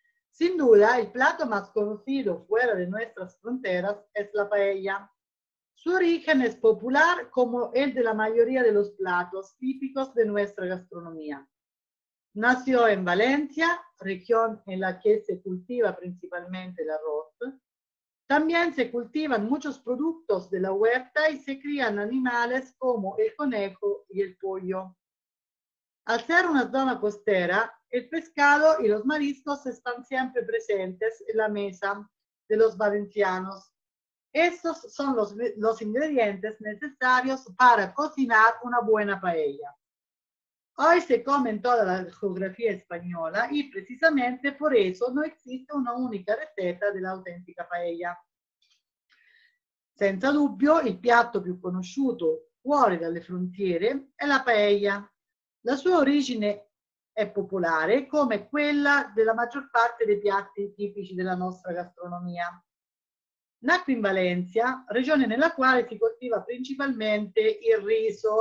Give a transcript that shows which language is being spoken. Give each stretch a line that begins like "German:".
Spanish: Sin duda,
Italian: il piatto più conosciuto fuori delle nostre frontiere è la paella.
Spanish: Su origen es popular como el de la mayoría de los platos típicos de nuestra gastronomía. Nació en Valencia, región en la que se cultiva principalmente el arroz. También se cultivan muchos productos de la huerta y se crían animales como el conejo y el pollo. Al ser una zona costera, el pescado y los mariscos están siempre presentes en la mesa de los valencianos. Estos son los ingredientes necesarios para cocinar una buena paella. Hoy se come en toda la geografía española y precisamente por eso no existe una única receta de la auténtica paella.
Italian: Senza dubbio, el piatto più conosciuto fuori dalle frontiere è la paella. La sua origine è popolare come quella della maggior parte dei piatti tipici della nostra gastronomia. Nacque in Valencia, regione nella quale si coltiva principalmente il riso.